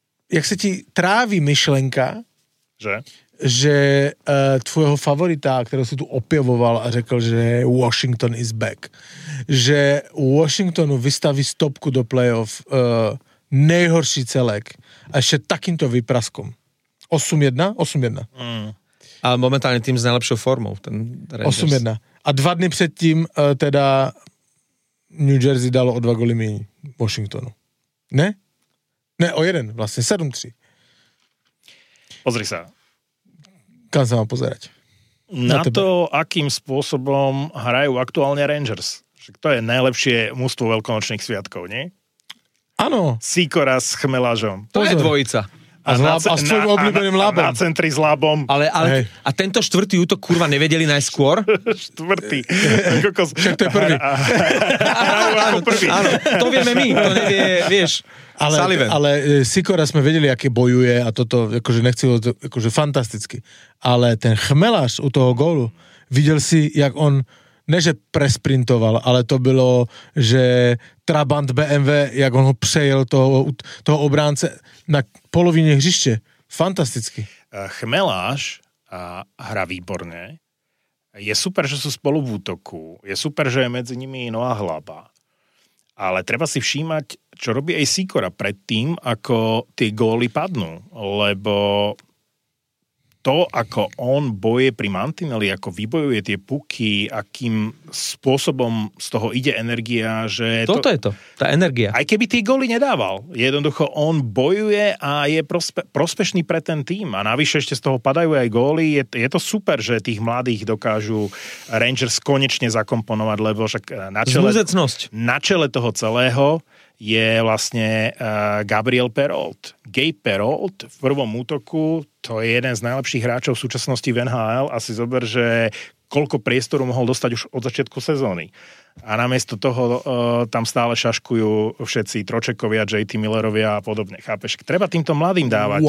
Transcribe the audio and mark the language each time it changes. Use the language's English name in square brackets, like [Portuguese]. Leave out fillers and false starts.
[Slovak] Jak sa ti tráví myšlenka, že tvojho favorita, ktorého si tu opievoval a řekl, že [English] Washington is back. [Slovak] Že Washingtonu vystaví stopku do playoff nejhorší celek a ešte takýmto výpraskom. 8-1? 8-1. A momentálne tým s najlepšou formou. Ten 8-1. [Czech] A dva dny předtím teda New Jersey dalo o dva goly míň Washingtonu. Ne? Ne, o jeden vlastne. 7-3. [Slovak] Pozri sa. Kam sa mám pozerať? Na to, akým spôsobom hrajú aktuálne Rangers. To je najlepšie mužstvo veľkonočných sviatkov, nie? Áno. Sikora s Chmelažom. To je dvojica. A s tvojim obľúbeným Labom. Na centri s Labom. Ale, a tento štvrtý útok, kurva, nevedeli najskôr? Štvrtý. Však to je prvý. Áno, to vieme my. To nevie, vieš... Ale Sikora sme vedeli, aké bojuje a toto, akože nechcelo, akože fantasticky. [Czech] Ale ten Chmelaš u toho gólu, videl si, jak on, neže presprintoval, ale to bylo, že Trabant BMW, jak on ho přejel toho obránce na polovině hřiště. Fantasticky. Chmelaš hrá výborně. [Slovak] Je super, že sú spolu v útoku. Je super, že je medzi nimi Noah Hlaba. Ale treba si všímať, čo robí aj Sikora pred tým, ako tie góly padnú. Lebo to, ako on boje pri mantineli, ako vybojuje tie puky, akým spôsobom z toho ide energia, že... Toto je to, tá energia. Aj keby tie góly nedával, jednoducho on bojuje a je prospešný pre ten tým. A navyše ešte z toho padajú aj góly. Je to super, že tých mladých dokážu Rangers konečne zakomponovať, lebo však na čele... Zúzecnosť. Na čele toho celého je vlastne Gabriel Perrault. Gabe Perrault v prvom útoku, to je jeden z najlepších hráčov v súčasnosti v NHL. Asi zober, že koľko priestoru mohol dostať už od začiatku sezóny. A namiesto toho tam stále šaškujú všetci Tročekovia, J.T. Millerovia a podobne. Chápeš? Treba týmto mladým dávať.